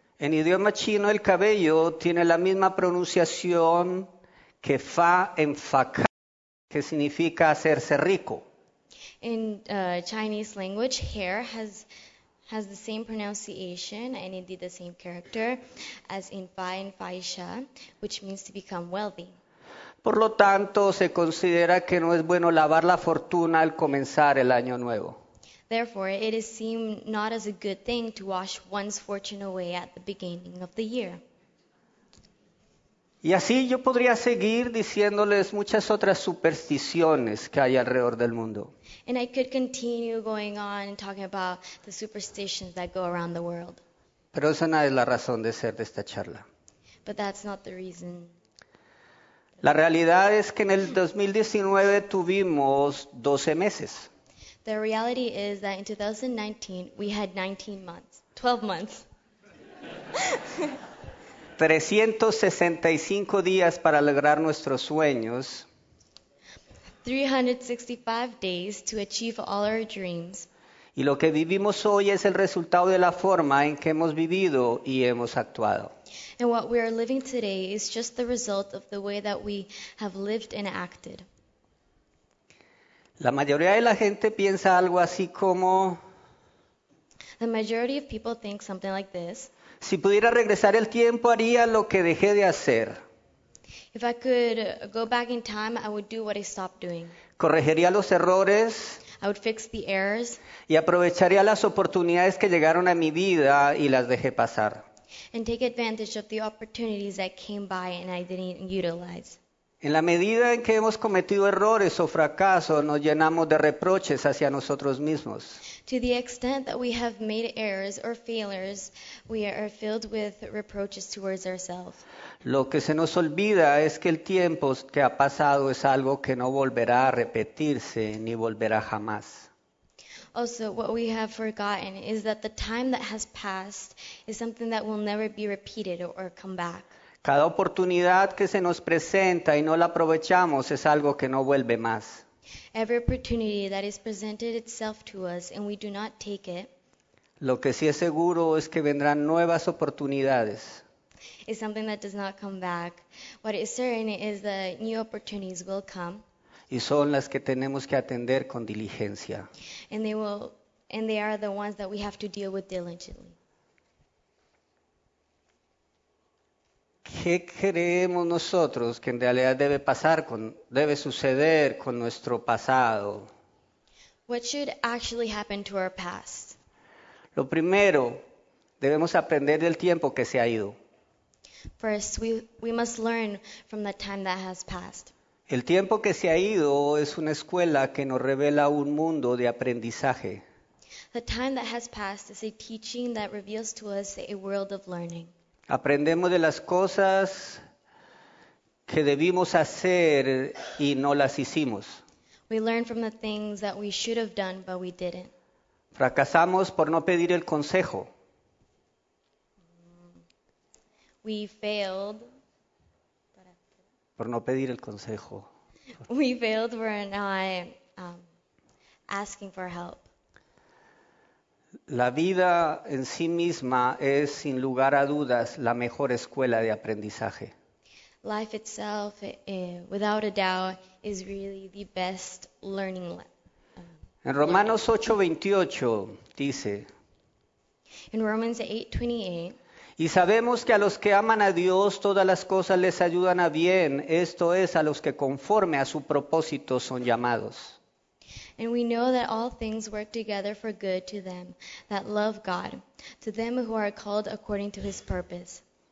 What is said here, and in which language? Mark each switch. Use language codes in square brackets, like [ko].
[es] En idioma chino, el cabello tiene la misma pronunciación que fa en faca, que significa hacerse rico. [en] In Chinese language, hair has the same pronunciation and indeed the same character as in fa en faixa, which means to become wealthy. [es] Por lo tanto, se considera que no es bueno lavar la fortuna al comenzar el año nuevo. [en] Therefore, it is seen not as a good thing to wash one's fortune away at the beginning of the year. [es] Y así yo podría seguir diciéndoles muchas otras supersticiones que hay alrededor del mundo. [en] And I could continue going on and talking about the superstitions that go around the world. [es] Pero esa no es la razón de ser de esta charla. [en] But that's not the reason. [es] La realidad es que en el 2019 tuvimos 12 meses. [en] The reality is that in 2019 we had 19 months. 12 months. [es] 365 días para lograr nuestros sueños. [en] 365 days to achieve all our dreams. [es] Y lo que vivimos hoy es el resultado de la forma en que hemos vivido y hemos actuado. [en] And what we are living today is just the result of the way that we have lived and acted. [es] La mayoría de la gente piensa algo así como... [en] The majority of people think something like this. [es] Si pudiera regresar el tiempo, haría lo que dejé de hacer. [en] If I could go back in time, I would do what I stopped doing. [es] Corregiría los errores. [en] I would fix the errors. [es] Y aprovecharía las oportunidades que llegaron a mi vida y las dejé pasar. [en] And take advantage of the opportunities that came by and I didn't utilize. [es] En la medida en que hemos cometido errores o fracasos, nos llenamos de reproches hacia nosotros mismos. [en] To the extent that we have made errors or failures, we are filled with reproaches towards ourselves. [es] Lo que se nos olvida es que el tiempo que ha pasado es algo que no volverá a repetirse ni volverá jamás. [en] Also, what we have forgotten is that the time that has passed is something that will never be repeated or come back. [es] Cada oportunidad que se nos presenta y no la aprovechamos es algo que no vuelve más. [en] Every opportunity that is presented itself to us and we do not take it. [es] Lo que sí es seguro es que vendrán nuevas oportunidades. [en] Is something that does not come back. What is certain is that new opportunities will come. [es] Y son las que tenemos que atender con diligencia. [en] And they are the ones that we have to deal with diligently. [es] ¿Qué creemos nosotros que en realidad debe pasar con, debe suceder con nuestro pasado? [en] What should actually happen to our past? [es] Lo primero, debemos aprender del tiempo que se ha ido. [en] First, we must learn from the time that has passed. [es] El tiempo que se ha ido es una escuela que nos revela un mundo de aprendizaje. [en] The time that has passed is a teaching that reveals to us a world of learning. [es] Aprendemos de las cosas que debimos hacer y no las hicimos. [en] We learn from the things that we should have done, but we didn't. [es] Fracasamos por no pedir el consejo. [en] We failed. [es] Por no pedir el consejo. [en] We failed for not asking for help. [es] La vida en sí misma es, sin lugar a dudas, la mejor escuela de aprendizaje. [en] Life itself, without a doubt, is really the best learning. [es] En Romanos 8:28 dice. [en] In Romans 8:28. [es] Y sabemos que a los que aman a Dios, todas las cosas les ayudan a bien. Esto es, a los que conforme a su propósito son llamados. [en] And we know that all things work together for good to them that love God, to them who are called according to His purpose.